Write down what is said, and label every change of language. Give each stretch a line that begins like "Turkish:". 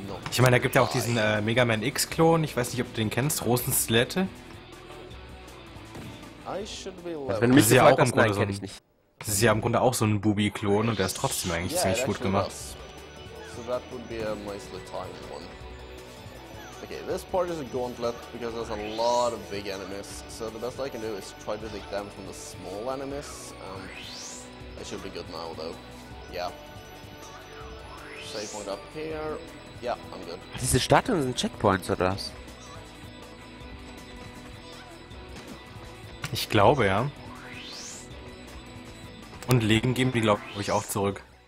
German: Ich meine, da gibt ja auch diesen Mega Man X-Klon, ich weiß nicht, ob du den kennst, Rosen Stilette. Das ist ja auch im Grunde so ein. Das ist ja im Grunde auch so ein Bubi-Klon und der ist trotzdem eigentlich ziemlich gut gemacht.
English: So that would be a nicely timed one. Okay, this part is a gauntlet because there's a lot of big enemies. So the best I can do is try to take damage from the small enemies. I should be good now though. Yeah. Save point up here. Yeah, I'm good.
German: Diese Stadt und diese Checkpoints oder was? Ich glaube, ja. Und Leben geben die, glaube ich, auch zurück.